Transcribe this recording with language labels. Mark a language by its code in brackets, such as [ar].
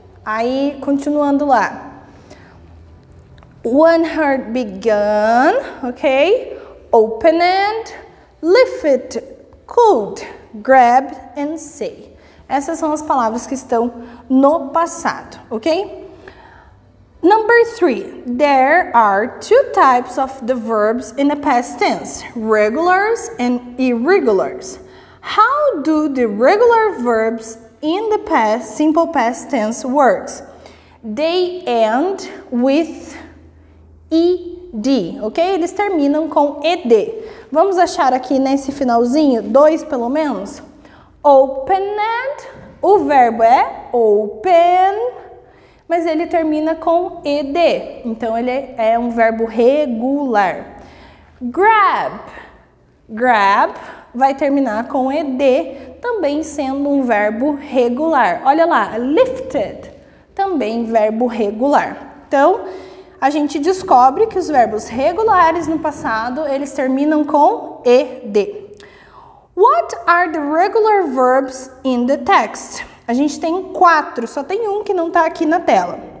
[pt] Aí, continuando lá. [en] One heart began, ok? Opened, lifted, could, grab and say. [pt] Essas são as palavras que estão no passado, ok? [en] Number 3. There are two types of the verbs in the past tense, regulars and irregulars. How do the regular verbs in the past simple past tense works? They end with ed, ok? [pt] Eles terminam com ed. Vamos achar aqui nesse finalzinho, dois pelo menos. Opened, o verbo é open, mas ele termina com ed. Então, ele é um verbo regular. Grab, grab, vai terminar com ed, também sendo um verbo regular. Olha lá, lifted, também verbo regular. Então, a gente descobre que os verbos regulares no passado, eles terminam com ed. [en] What are the regular verbs in the text? [pt] A gente tem 4, só tem um que não está aqui na tela.